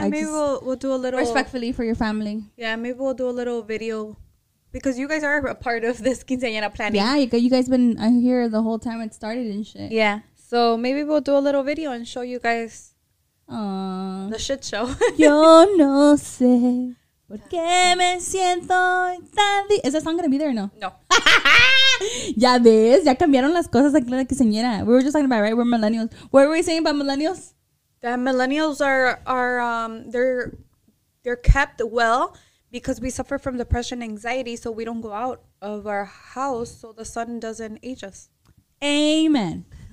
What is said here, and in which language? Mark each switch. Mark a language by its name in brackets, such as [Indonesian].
[English] I maybe just, we'll do a little... Respectfully for your family. Yeah, maybe we'll do a little video. Because you guys are a part of this quinceañera planning. Yeah, you guys been here the whole time it started and shit. Yeah. So maybe we'll do a little video and show you guys the shit show. [Spanish] Yo no sé por qué me siento tan... [English] Is that song going to be there or no? No. [Spanish] Ya ves, ya cambiaron las cosas aquí en la quinceañera. [English] We were just talking about, right? We're millennials. What were we saying about millennials? That millennials are kept well... Because we suffer from depression and anxiety, so we don't go out of our house, so the sun doesn't age us. Amen.